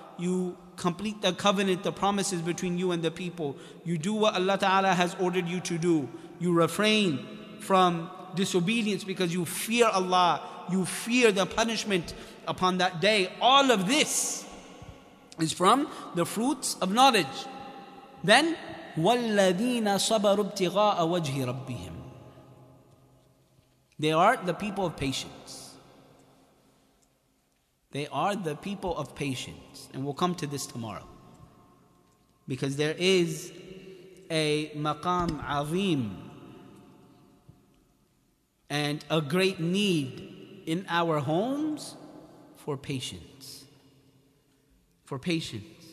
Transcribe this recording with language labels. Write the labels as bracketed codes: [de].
[en] You complete the covenant, the promises between you and the people. You do what Allah Ta'ala has ordered you to do. You refrain from disobedience because you fear Allah. You fear the punishment upon that day. All of this is from the fruits of knowledge. Then, [ar] وَالَّذِينَ صَبَرُ ابْتِغَاءَ وَجْهِ رَبِّهِمْ. [en] They are the people of patience. They are the people of patience. And we'll come to this tomorrow. Because there is a maqam azim and a great need in our homes for patience. For patience.